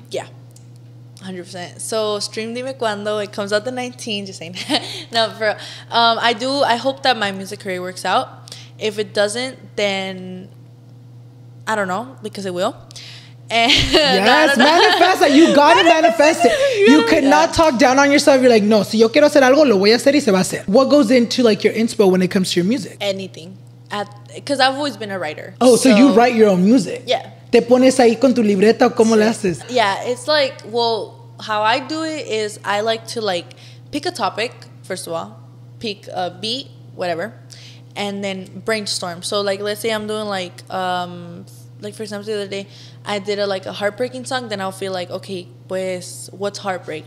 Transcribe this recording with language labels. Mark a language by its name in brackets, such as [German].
[English] Yeah. 100%. So, stream Dime Cuando. It comes out the 19th. Just saying. No, for real. I hope that my music career works out. If it doesn't, then I don't know, because it will. And yes, manifest it. You got to manifest it. You could not talk down on yourself. You're like, [Spanish] no, si yo quiero hacer algo, lo voy a hacer [English] y se va a hacer. What goes into, like, your inspo when it comes to your music? Anything. Because I've always been a writer. Oh, so you write your own music? Yeah. [Spanish] ¿Te pones ahí con tu libreta o cómo le haces? [English] Yeah, it's like, well, how I do it is I like to, like, pick a topic, first of all, pick a beat, whatever, and then brainstorm. So, like, let's say I'm doing, like for example, the other day, I did a heartbreaking song, then I'll feel like, okay, pues, what's heartbreak?